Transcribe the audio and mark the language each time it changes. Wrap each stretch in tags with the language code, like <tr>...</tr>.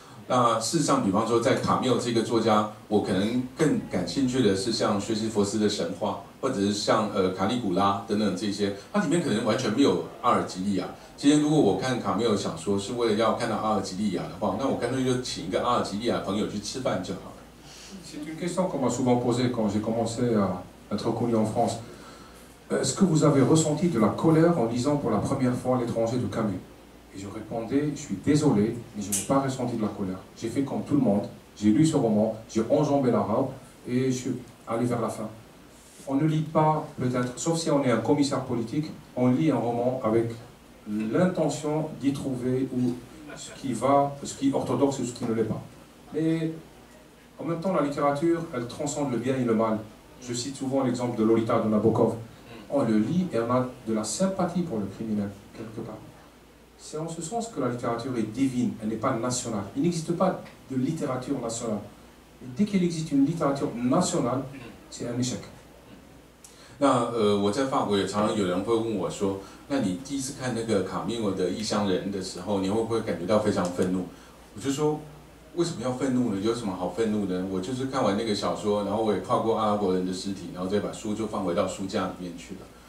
<zh>那事实上，比方说，在卡缪这个作家，我可能更感兴趣的是像薛西弗斯的神话，或者是像卡利古拉等等这些，它里面可能完全没有阿尔及利亚。今天如果我看卡缪小说是为了要看到阿尔及利亚的话，那我干脆就请一个阿尔及利亚朋友去吃饭就好了。</zh> <fr>C'est une question qu'on m'a souvent posée quand j'ai commencé à être connu en France. Est-ce que vous avez ressenti de la colère en lisant pour la première fois l'étranger de Camus? Et je répondais, je suis désolé, mais je n'ai pas ressenti de la colère. J'ai fait comme tout le monde, j'ai lu ce roman, j'ai enjambé la robe et je suis allé vers la fin. On ne lit pas, peut-être, sauf si on est un commissaire politique, on lit un roman avec l'intention d'y trouver ou ce qui va, ce qui est orthodoxe ou ce qui ne l'est pas. Mais en même temps, la littérature, elle transcende le bien et le mal. Je cite souvent l'exemple de Lolita de Nabokov. On le lit et on a de la sympathie pour le criminel, quelque part. C'est en ce sens que la littérature est divine, elle n'est pas nationale. Il n'existe pas de littérature nationale. Et dès qu'il existe une littérature nationale, c'est un échec.</fr> <zh>那我在法国也常常有人会问我说，那你第一次看那个卡缪的《异乡人》的时候，你会不会感觉到非常愤怒？我就说，为什么要愤怒呢？有什么好愤怒呢？我就是看完那个小说，然后我也跨过阿拉伯人的尸体，然后再把书就放回到书架里面去了。</zh>